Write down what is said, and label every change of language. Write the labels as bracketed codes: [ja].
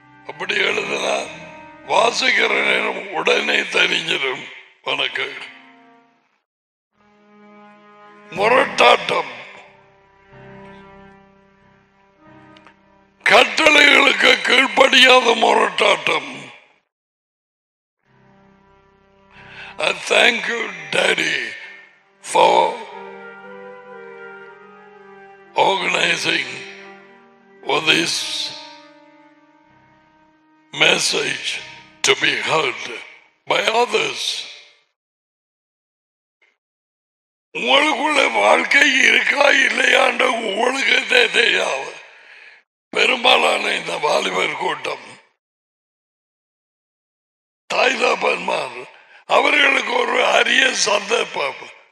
[ta] அப்படி எழுதுனா வாசிக்கிறேன் உடனே தெரிஞ்சிடும் உனக்கு. முரட்டாட்டம், கட்டளைகளுக்கு கீழ்படியாத முரட்டாட்டம். [en] And thank you, Daddy, for organizing for this message to be heard by others. [ta] உங்களுக்குள்ள வாழ்க்கை இருக்கா இல்லையாண்ட உங்களுக்கு தெரியாது. பெரும்பாலான இந்த வாலிபர் கூட்டம் தாய்தாபன்மார் அவர்களுக்கு ஒரு அரிய சந்தேகம்.